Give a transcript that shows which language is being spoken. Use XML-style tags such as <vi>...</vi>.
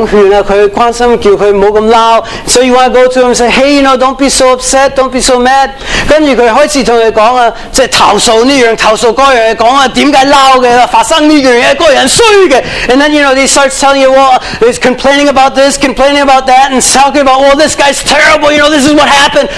<yue>所以你去跟他聊聊天，哇，我想劝他，他关心，叫他不要那么闹。</yue> <en>So you want to go to him and say, hey, you know, don't be so upset, don't be so mad.</en> <yue>跟着他开始跟他讲啊, 即是投诉这样，投诉那样，讲啊，为什么闹的，发生这样，那样衰的。</yue> <en>And then, you know, he starts telling you, well, he's complaining about this, complaining about that, and talking about, well, this guy's terrible, you know, this is what happened.</en>